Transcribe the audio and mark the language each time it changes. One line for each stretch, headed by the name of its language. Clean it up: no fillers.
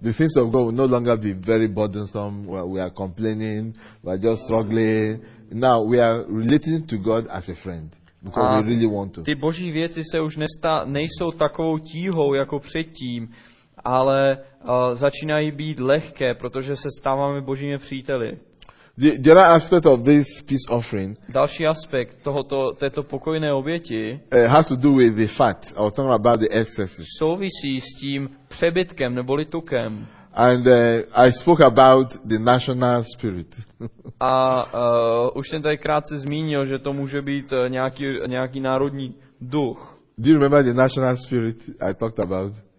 English: The things of God will no longer be very burdensome. We are complaining, we are just struggling. Now we are relating to God as a friend because we really want to.
Czech: Ty boží věci se už nejsou takovou tíhou jako předtím, ale začínají být lehké, protože se stáváme božími příteli.
English: The other aspect of this peace offering.
Czech: Další aspekt této pokojné oběti.
English: Has to do with the fat. I was talking about the excesses.
Czech: Souvisí s tím přebytkem neboli tukem.
English: And I spoke about the national spirit.
Czech: A už jsem tady krátce zmínil, že to může být nějaký národní duch.
English: Do you remember the national spirit I talked about?